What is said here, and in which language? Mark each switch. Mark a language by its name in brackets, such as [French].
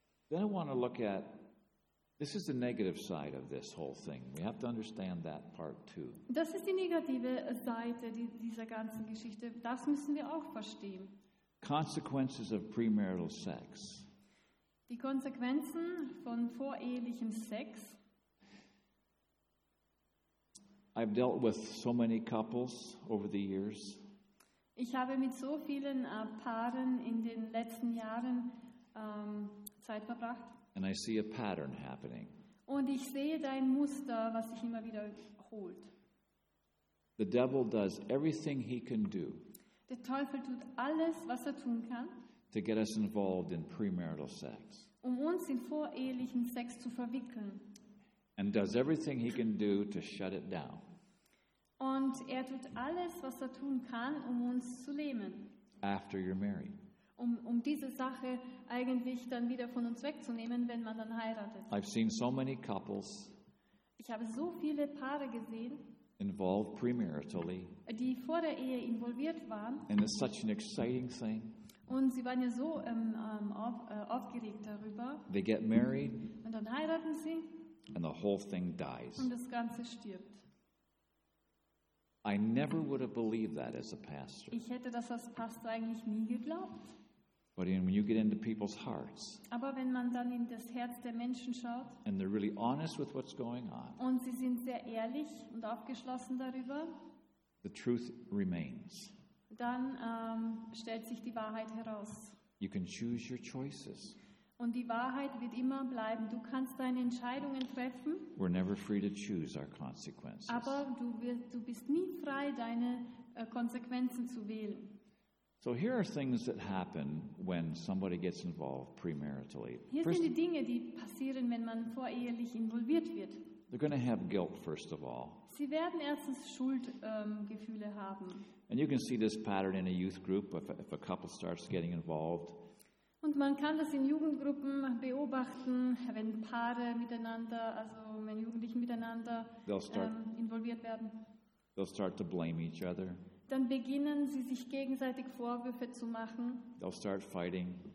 [English] Then I want to look at, this is the negative side of this whole thing. We have to understand that part too. [German] Das ist die negative Seite dieser ganzen Geschichte. Das müssen wir auch verstehen. [English] Consequences of premarital sex. [German] Die Konsequenzen von vorehelichem Sex. [English] I've dealt with so many couples over the years. [German] Ich habe mit so vielen Paaren in den letzten Jahren Zeit verbracht. [English] And I see a pattern happening. [German] Und ich sehe dein Muster, was sich immer wiederholt. [English] The devil does everything he can do. [German] Der Teufel tut alles, was tun kann. [English] To get us involved in premarital sex. [German] Uns in vorehelichen Sex zu verwickeln. [English] And does everything he can do to shut it down. [German] Und tut alles, was tun kann, uns zu lähmen. [English] After you're married. [German] Diese Sache eigentlich dann wieder von uns wegzunehmen, wenn man dann heiratet. [English] I've seen so many couples. [German] Ich habe so viele Paare gesehen. [English] Involved premaritally. [German] Die vor der Ehe involviert waren. [English] And it's such an exciting thing. [German] Und sie waren ja so aufgeregt darüber. [English] They get married. [German] Und dann heiraten sie. [English] And the whole thing dies. [German] Und das Ganze stirbt. [English] I never would have believed that as a pastor. [German] Ich hätte das als Pastor eigentlich nie geglaubt. [English] But when you get into people's hearts, [German] aber wenn man dann in das Herz der Menschen schaut, [English] and they're really honest with what's going on, [German] und sie sind sehr ehrlich und aufgeschlossen darüber, [English] the truth remains. [German] Dann stellt sich die Wahrheit heraus. [English] You can choose your choices. [German] Und die Wahrheit wird immer bleiben. Du kannst deine Entscheidungen treffen. [English] We're never free to choose our consequences. [German] Aber du bist nie frei, deine Konsequenzen zu wählen. [English] So here are things that happen when somebody gets involved premaritally. [German] Hier sind die Dinge, die passieren, wenn man vorehelich involviert wird. [English] They're going to have guilt, first of all. [German] Sie werden erstens Schuldgefühle haben. [English] And you can see this pattern in a youth group if a couple starts getting involved. [German] Und man kann das in Jugendgruppen beobachten, wenn Paare miteinander, also wenn Jugendliche miteinander involviert werden. [English] They'll start to blame each other. [German] Dann beginnen sie sich gegenseitig Vorwürfe zu machen. [English] They'll start fighting.